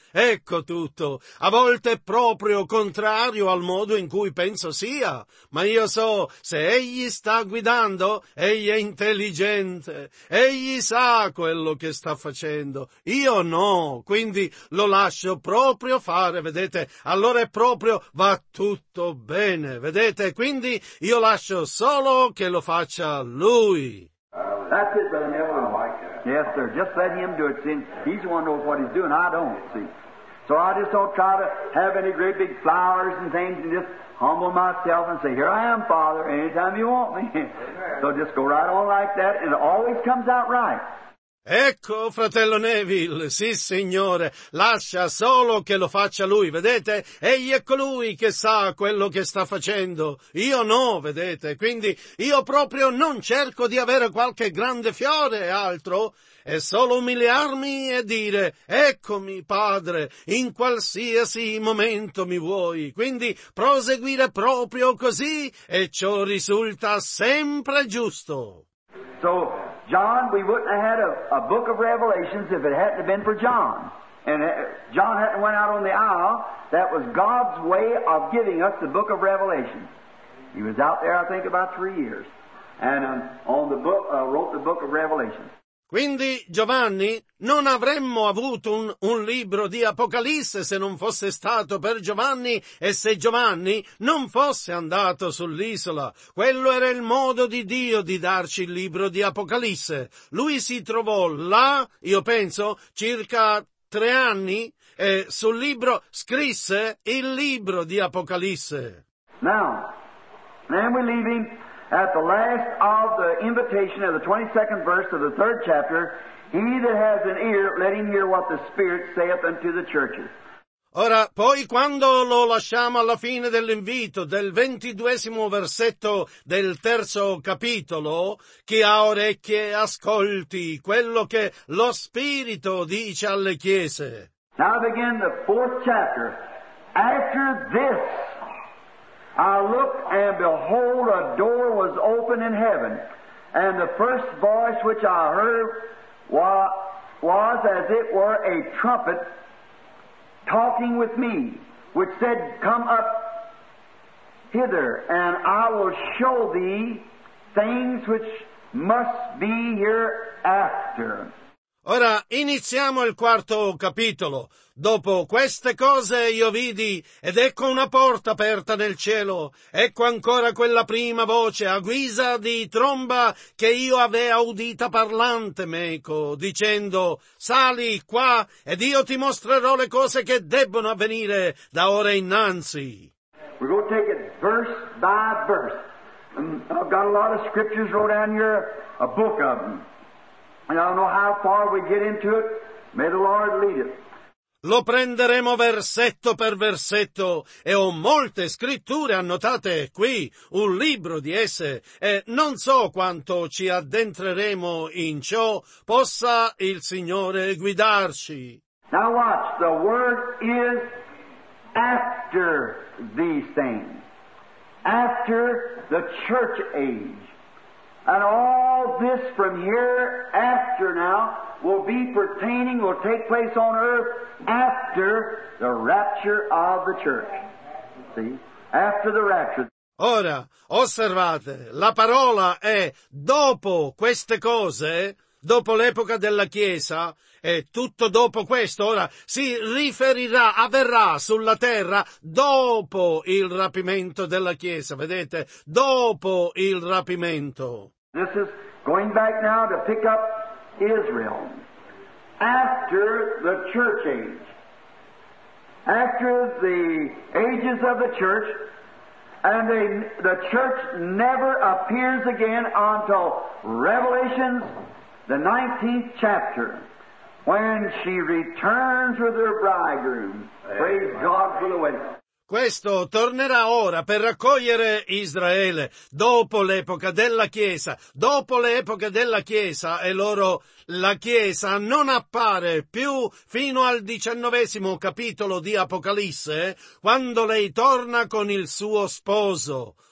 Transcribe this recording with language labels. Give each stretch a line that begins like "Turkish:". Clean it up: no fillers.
Italian: Ecco tutto. A volte è proprio contrario al modo in cui penso sia, ma io so, se egli sta guidando, egli è intelligente, egli sa quello che sta facendo. Io no, quindi lo lascio proprio fare, vedete? Allora è proprio, va tutto bene. Vedete, quindi io lascio solo che lo faccia lui.
English: That's it, Brother Neville. Yes, sir. Just let him do it, since he's the one who knows what he's doing. I don't, see. So I just don't try to have any great big flowers and things and just humble myself and say, here I am, Father, anytime you want me. So just go right on like that and it always comes out right.
Italian: Ecco, fratello Neville, sì signore, lascia solo che lo faccia lui, vedete? Egli è colui che sa quello che sta facendo, io no, vedete? Quindi io proprio non cerco di avere qualche grande fiore e altro, è solo umiliarmi e dire, eccomi padre, in qualsiasi momento mi vuoi, quindi proseguire proprio così e ciò risulta sempre giusto.
English: So, John, we wouldn't have had a book of Revelations if it hadn't been for John. And John hadn't went out on the aisle. That was God's way of giving us the book of Revelation. He was out there, I think, about 3 years. And on the book, wrote the book of Revelation.
Italian: Quindi, Giovanni, non avremmo avuto un libro di Apocalisse se non fosse stato per Giovanni e se Giovanni non fosse andato sull'isola. Quello era il modo di Dio di darci il libro di Apocalisse. Lui si trovò là, io penso, circa 3 anni, e sul libro scrisse il libro di Apocalisse.
English: Now, then we leave him. At the last of the invitation of the 22nd verse of the 3rd chapter, he that has an ear, let him hear what the Spirit saith unto the churches.
Italian: Ora, poi quando lo lasciamo alla fine dell'invito, del 22esimo versetto del 3° capitolo, chi ha orecchie ascolti quello che lo Spirito dice alle chiese.
English: Now begin the 4th chapter. After this, I looked, and behold, a door was open in heaven, and the first voice which I heard was as it were a trumpet talking with me, which said, come up hither, and I will show thee things which must be hereafter.
Italian: Ora iniziamo il 4° capitolo. Dopo queste cose io vidi, ed ecco una porta aperta nel cielo. Ecco ancora quella prima voce, a guisa di tromba, che io avea udita parlante meco, dicendo, sali qua, ed io ti mostrerò le cose che debbono avvenire da ora innanzi.
English: We're going to take it verse by verse. I've got a lot of scriptures wrote down here, a book of them. And I don't know how far we get into it. May the Lord lead it.
Italian: Lo prenderemo versetto per versetto e ho molte scritture annotate qui, un libro di esse, e non so quanto ci addentreremo in ciò, possa il Signore guidarci.
English: Now watch, the word is after these things, after the church age. And all this from hereafter now will be pertaining, will take place on earth after the rapture of the church. See? After the rapture.
Italian: Ora, osservate, la parola è dopo queste cose, dopo l'epoca della Chiesa, e tutto dopo questo, ora, si riferirà, avverrà sulla terra dopo il rapimento della Chiesa, vedete? Dopo il rapimento.
English: This is going back now to pick up Israel after the church age. After the ages of the church, and the church never appears again until Revelation, the 19th chapter, when she returns with her bridegroom. Praise God for the wedding.
Italian: Questo tornerà ora per raccogliere Israele, dopo l'epoca della Chiesa. Dopo l'epoca della Chiesa e loro, la Chiesa non appare più fino al 19° capitolo di Apocalisse, quando lei torna con il suo sposo.